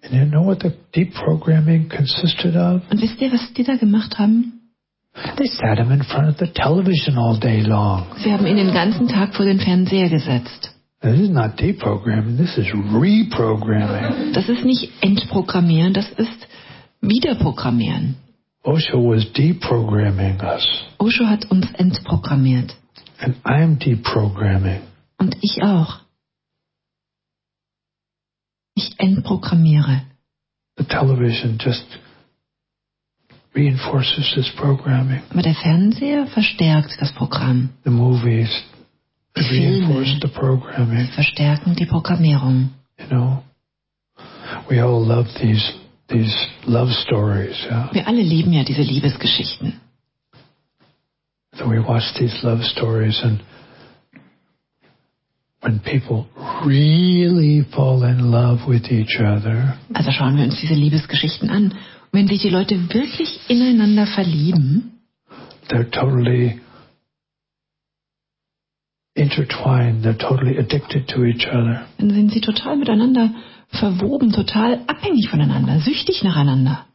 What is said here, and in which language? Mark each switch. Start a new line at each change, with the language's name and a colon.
English: And you know what the deprogramming consisted of?
German: Und wisst ihr, was die da gemacht haben?
English: They sat him in front of the television all day long.
German: Sie haben ihn den ganzen Tag vor den Fernseher gesetzt.
English: This is not deprogramming. This is reprogramming.
German: Das ist nicht Entprogrammieren. Das ist Wiederprogrammieren.
English: Osho was deprogramming us.
German: Osho hat uns entprogrammiert.
English: And I'm deprogramming.
German: Und ich auch. Ich entprogrammiere.
English: The television just reinforces this programming.
German: Aber der Fernseher verstärkt das Programm.
English: The movies reinforce the programming.
German: Verstärken die Programmierung.
English: You know, we all love these love stories, yeah.
German: Wir alle lieben ja diese Liebesgeschichten.
English: So we watch these love stories and when people really fall in love with each other.
German: Also schauen wir uns diese Liebesgeschichten an, wenn sich die Leute wirklich ineinander verlieben.
English: They're totally intertwined, they're totally addicted to each other.
German: Dann sind sie total miteinander verwoben, total abhängig voneinander, süchtig nacheinander.